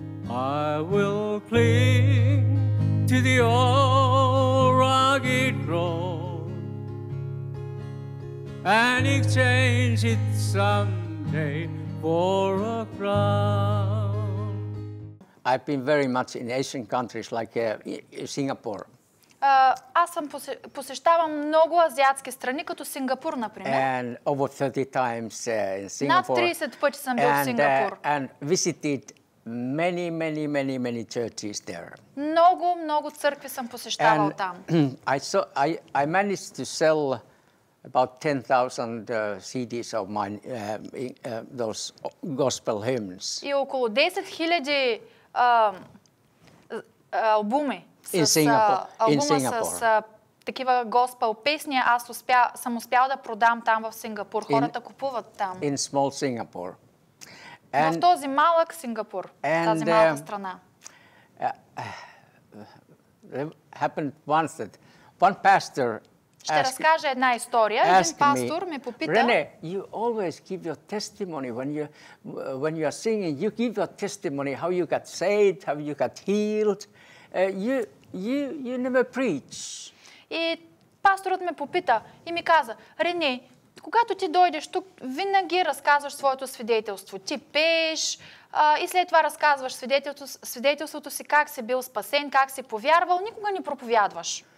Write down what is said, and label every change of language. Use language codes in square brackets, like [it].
[en] I will cling to the old rugged cross and exchange it someday for a crown. I've been very much in Asian countries like Singapore. [bg] Аз съм посещавам много азиатски страни, като Сингапур, например. [en] And over 30 times in Singapore. [bg] Над 30 пъти съм бил в Сингапур. [en] And visited many churches there. [bg] Много, много църкви съм посещавал [en] and [bg] там. [en] I managed to sell about 10,000 CDs of mine, those gospel hymns. [bg] И около 10 000 албуми с такива gospel песни. Аз съм успял да продам там в Сингапур. Хората купуват там. [en] In small Singapore. [bg] And, в този малък Сингапур, [en] and, [bg] тази малка страна. [en] Happened once that one pastor [bg] ще разкажа една история. Един пастор ме попита: [en] "Рене, you always give your testimony when you are singing. You give your testimony how you got saved, how you got healed. You never preach." [bg] И пасторът ме попита и ми каза: "Рене, когато ти дойдеш тук, винаги разказваш своето свидетелство. Ти пееш и след това разказваш свидетелството си, как си бил спасен, как си повярвал, никога не проповядваш."